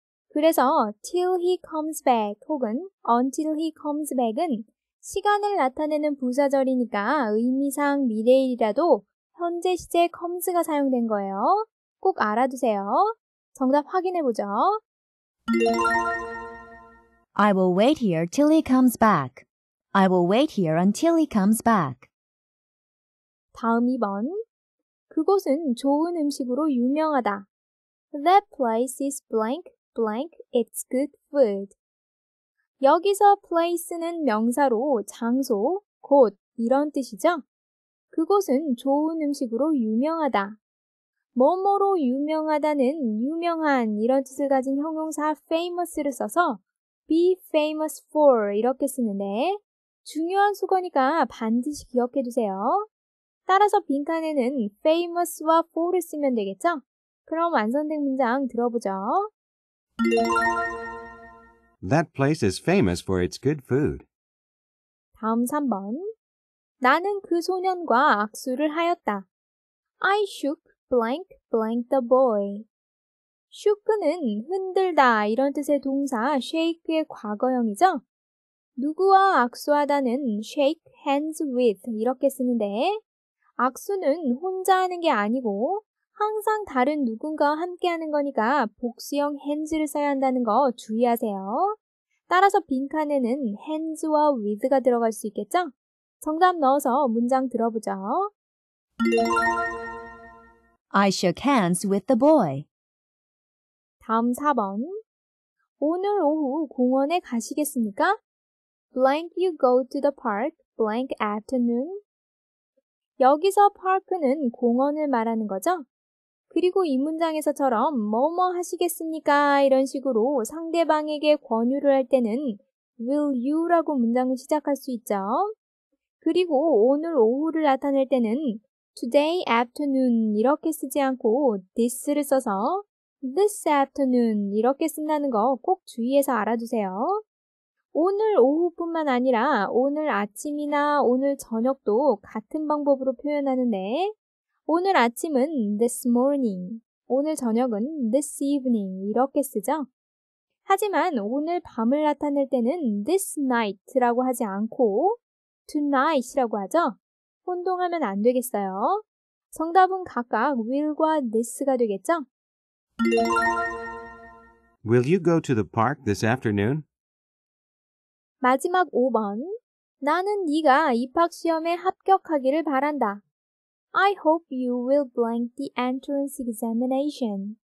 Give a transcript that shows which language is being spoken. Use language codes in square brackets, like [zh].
[ko] 그래서 [en] till he comes back [ko] 혹은 [en] until he comes back [ko] 은 시간을 나타내는 부사절이니까 의미상 미래일이라도 현재 시제 comes가 사용된 거예요. 꼭 알아두세요. 정답 확인해보죠. [en] I will wait here till he comes back. I will wait here until he comes back. [ko] 다음 2번. 그곳은 좋은 음식으로 유명하다. [en] That place is blank, blank, it's good food. [ko] 여기서 place는 명사로 장소, 곳 이런 뜻이죠. 그곳은 좋은 음식으로 유명하다. 뭐뭐로 유명하다는 유명한 이런 뜻을 가진 형용사 famous를 써서 be famous for 이렇게 쓰는데 중요한 수거니까 반드시 기억해 두세요. 따라서 빈칸에는 famous와 for를 쓰면 되겠죠? 그럼 완성된 문장 들어보죠. [en] That place is famous for its good food. [ko] 다음 3번. 나는 그 소년과 악수를 하였다. [en] I shook blank blank the boy. [ko] shook는 흔들다 이런 뜻의 동사 shake의 과거형이죠? 누구와 악수하다는 shake hands with 이렇게 쓰는데 악수는 혼자 하는 게 아니고 항상 다른 누군가와 함께 하는 거니까 복수형 hands를 써야 한다는 거 주의하세요. 따라서 빈칸에는 hands와 with가 들어갈 수 있겠죠? 정답 넣어서 문장 들어보죠. I shook hands with the boy. 다음 4번. 오늘 오후 공원에 가시겠습니까? [en] blank you go to the park blank afternoon. [ko] 여기서 park는 공원을 말하는 거죠. 그리고 이 문장에서처럼 뭐뭐 하시겠습니까? 이런 식으로 상대방에게 권유를 할 때는 will you라고 문장을 시작할 수 있죠. 그리고 오늘 오후를 나타낼 때는 today afternoon 이렇게 쓰지 않고 this를 써서 this afternoon 이렇게 쓴다는 거 꼭 주의해서 알아두세요. 오늘 오후뿐만 아니라 오늘 아침이나 오늘 저녁도 같은 방법으로 표현하는데 오늘 아침은 this morning, 오늘 저녁은 this evening 이렇게 쓰죠. 하지만 오늘 밤을 나타낼 때는 this night라고 하지 않고 tonight이라고 하죠. 혼동하면 안 되겠어요. 정답은 각각 will과 this가 되겠죠? [en] Will you go to the park this afternoon? [ko] 마지막 5번. 나는 네가 입학시험에 합격하기를 바란다. [en] I hope you will blank the entrance examination.